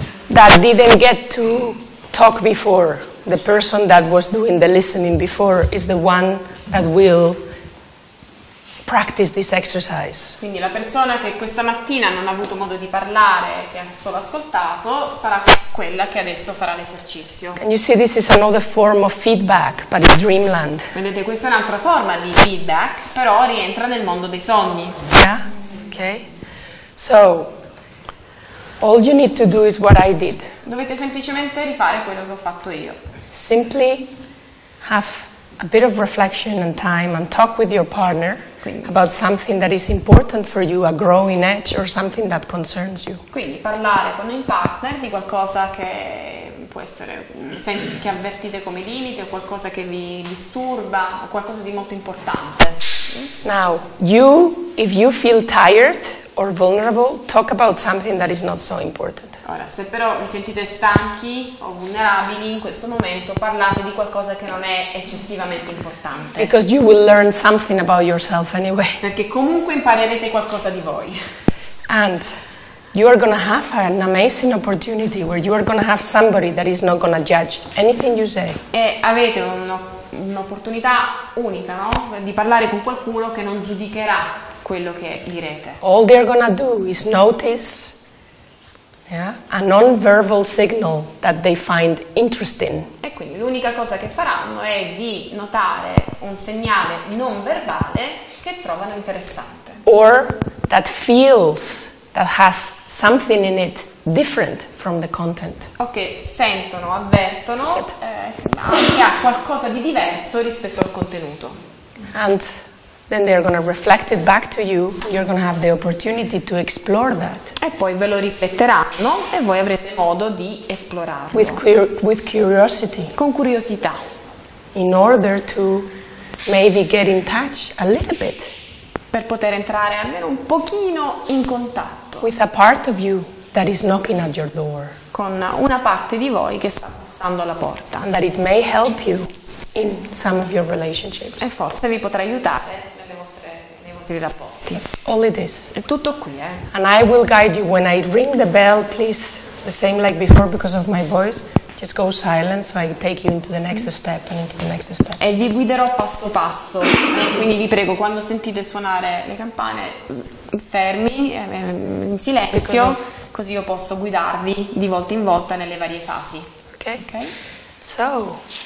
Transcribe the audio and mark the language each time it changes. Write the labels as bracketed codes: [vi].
[en] that didn't get to talk before, the person that was doing the listening before, is the one that will practice this exercise. [it] Quindi la persona che questa mattina non ha avuto modo di parlare, che ha solo ascoltato, sarà quella che adesso farà l'esercizio. [en] And you see, this is another form of feedback, but in dreamland. [it] Vedete, questa è un'altra forma di feedback, però rientra nel mondo dei sogni. [en] Yeah? Okay. So, all you need to do is what I did. [it] Dovete semplicemente rifare quello che ho fatto io. [en] Simply have a bit of reflection and time and talk with your partner. [it] Quindi, [en] about something that is important for you, a growing edge or something that concerns you. [it] Quindi parlare con il partner di qualcosa che può essere, che avvertite come limite, o qualcosa che vi disturba, o qualcosa di molto importante. [en] Now, you, if you feel tired or vulnerable, talk about something that is not so important. [it] Ora, se però vi sentite stanchi o vulnerabili in questo momento, parlate di qualcosa che non è eccessivamente importante. [en] Because you will learn something about yourself anyway. [it] Perché comunque imparerete qualcosa di voi. [en] And you are going to have an amazing opportunity where you are going to have somebody that is not going to judge anything you say. [it] E avete un'opportunità unica, no? Di parlare con qualcuno che non giudicherà quello che direte. [en] All they're gonna do is notice, yeah, a non-verbal signal that they find interesting. [it] E quindi l'unica cosa che faranno è di notare un segnale non verbale che trovano interessante. [en] Or that feels, that has something in it different from the content. [it] Ok, sentono, avvertono, che ha qualcosa di diverso rispetto al contenuto. [en] And then they're going to reflect it back to you. You're going to have the opportunity to explore that. [it] E poi ve lo ripeteranno e voi avrete modo di esplorarlo. [en] With curiosity. [it] Con curiosità. [en] In order to maybe get in touch a little bit. [it] Per poter entrare almeno un pochino in contatto. [en] With a part of you that is knocking at your door. [it] Con una parte di voi che sta bussando alla porta. [en] And that it may help you in some of your relationships. [it] E forse vi potrà aiutare nei vostri rapporti. [en] That's all it is. [it] È tutto qui, eh. [en] And I will guide you when I ring the bell, please, the same like before because of my voice, just go silent so I take you into the next step and into the next step. [it] E vi guiderò passo passo. Quindi vi prego, quando sentite suonare le campane, fermi, in silenzio, così io posso guidarvi di volta in volta nelle varie fasi. [en] Ok. So,